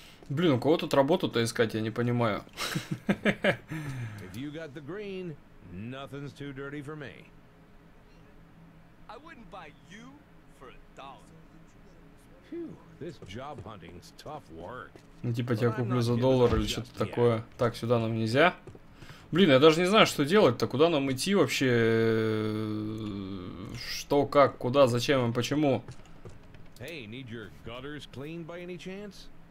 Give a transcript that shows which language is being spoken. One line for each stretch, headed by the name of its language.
Russian: Блин, у кого тут работу-то искать, я не понимаю.
English: If you got the green, nothing's too dirty for me. I wouldn't buy you for a dollar. This job hunting's tough work.
Russian: Ну, типа, тебя куплю за доллар или что-то такое. Так, сюда нам нельзя. Блин, я даже не знаю, что делать-то. Куда нам идти вообще? Что, как, куда, зачем и почему?
English: Hey, need your gutters cleaned by any chance?